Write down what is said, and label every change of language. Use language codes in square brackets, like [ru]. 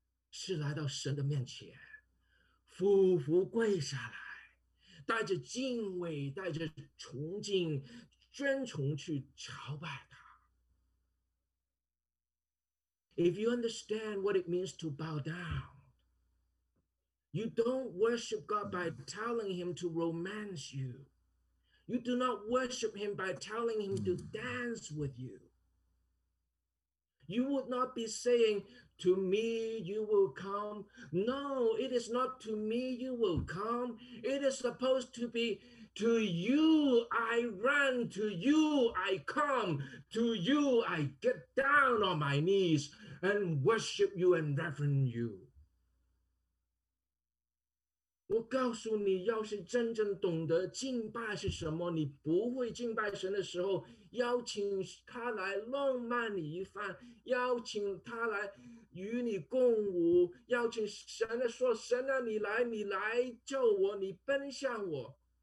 [zh] 是来到神的面前，俯伏跪下来，带着敬畏、带着崇敬、尊崇去朝拜他。 [en] If you understand what it means to bow down, you don't worship God by telling him to romance you. You do not worship him by telling him to dance with you. You would not be saying, to me you will come. No, it is not to me you will come. It is supposed to be, to you I run, to you I come, to you I get down on my knees and worship you and reverend you. [zh] 我告诉你，要是真正懂得敬拜是什么，你不会敬拜神的时候，邀请他来浪漫你一番，邀请他来与你共舞，邀请神的说：“神啊，你来，你来救我，你奔向我。”